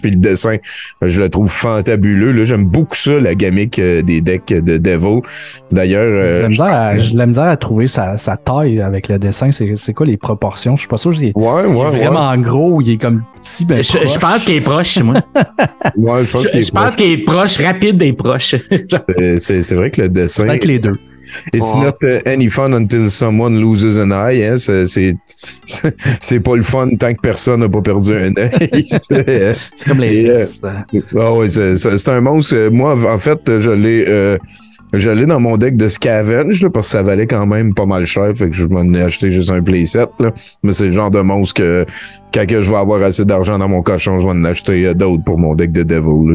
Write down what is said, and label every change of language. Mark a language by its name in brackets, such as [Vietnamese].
[French] Puis le dessin, je le trouve fantabuleux. Là, j'aime beaucoup ça, la gimmick des decks de Devo. D'ailleurs... J'ai la misère à trouver sa taille avec le dessin. C'est quoi les proportions? Je suis pas sûr. Il est vraiment gros ou il est comme petit, ben proche. Je pense qu'il est proche, moi. Je pense qu'il est proche, rapide. c'est vrai que le dessin... Avec les deux. [English] It's not any fun until someone loses an eye. [French] Hein? C'est pas le fun tant que personne n'a pas perdu un œil. C'est comme les c'est un monstre. Moi, en fait, je l'ai dans mon deck de scavenge là, parce que ça valait quand même pas mal cher. Fait que je m'en ai acheté juste un playset. Là. Mais c'est le genre de monstre que quand je vais avoir assez d'argent dans mon cochon, je vais en acheter d'autres pour mon deck de Devil.